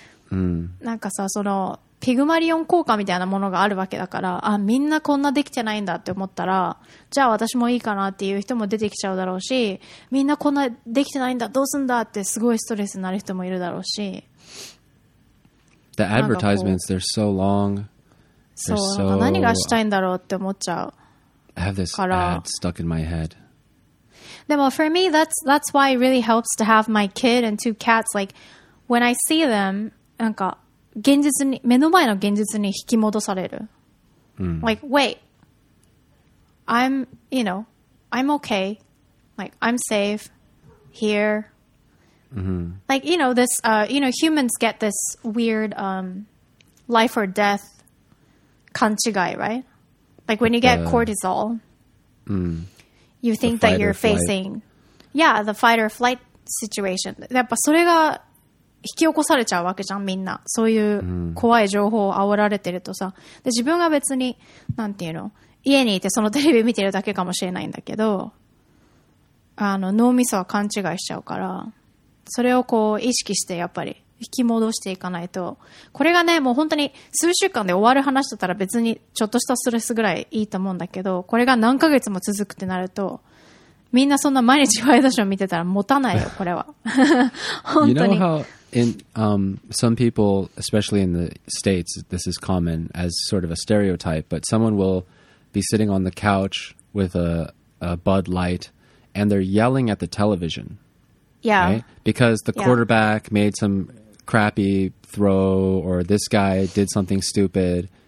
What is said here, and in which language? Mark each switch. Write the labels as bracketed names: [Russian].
[Japanese] なんかさ、そのピグマリオン効果みたいなものがあるわけだから、あ、みんなこんなできてないんだって思ったら、じゃあ私もいいかなっていう人も出てきちゃうだろうし、みんなこんなできてないんだどうすんだってすごいストレスになる人もいるだろうし、 [English] The advertisements, they're so long. [Japanese] そう、なんか何がしたいんだろうって思っちゃう。 [English] I have this ad stuck in my head. でも for me, that's why it really helps to have my kid and two cats. Like, when I see them, [Japanese] なんか現実に、目の前の現実に引き戻される。 Mm. [English] Like, wait, I'm, you know, I'm okay. Like, I'm safe here. Mm-hmm. Like, you know, this, you know, humans get this weird life or death 勘違い, right? Like when you get cortisol, you think that you're facing, yeah, the fight or flight situation. [Japanese] やっぱそれが引き起こされちゃうわけじゃん、みんな。そういう怖い情報を煽られてるとさ。で、自分が別に、なんていうの、家にいてそのテレビ見てるだけかもしれないんだけど、あの、脳みそは勘違いしちゃうから、それをこう意識してやっぱり、引き戻していかないと、これがね、もう本当に数週間で終わる話だったら別にちょっとしたストレスぐらいいいと思うんだけど、これが何ヶ月も続くってなると、みんなそんな毎日ワイドショー見てたら持たないよ、これは。本当に。 [English] You know how in, some people, especially in the States, this is common as sort of a stereotype, but someone will be sitting on the couch with a Bud Light and they're yelling at the television Yeah. Right? Because the quarterback made some crappy throw, or this guy did something stupid.